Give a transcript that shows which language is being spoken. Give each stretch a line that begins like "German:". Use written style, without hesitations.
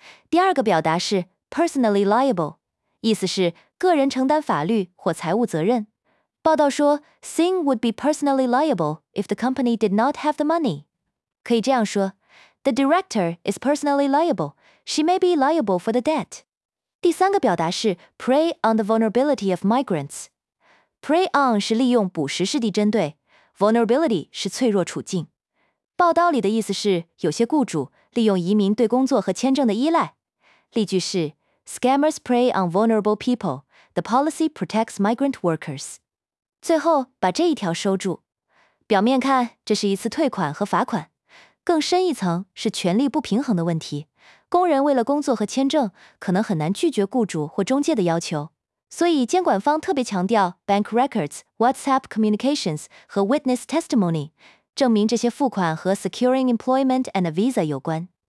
Chinese: 第二个表达是
English: Personally liable
Chinese: 意思是个人承担法律或财务责任报道说
English: Singh would be personally liable if the company did not have the money
Chinese: 可以这样说
English: The director is personally liable She may be liable for the debt
Chinese: 第三个表达是
English: Prey on the vulnerability of migrants Prey on
Chinese: 是利用捕食事地针对
English: ,vulnerability
Chinese: 是脆弱处境。报道里的意思是有些雇主利用移民对工作和签证的依赖。例句是
English: ,Scammers prey on vulnerable people, the policy protects migrant workers.
Chinese: 最后把这一条收住。表面看这是一次退款和罚款。更深一层是权力不平衡的问题。工人为了工作和签证可能很难拒绝雇主或中介的要求。所以监管方特别强调 bank records, WhatsApp communications 和 witness testimony, 证明这些付款和
English: securing employment and a visa
Chinese: 有关。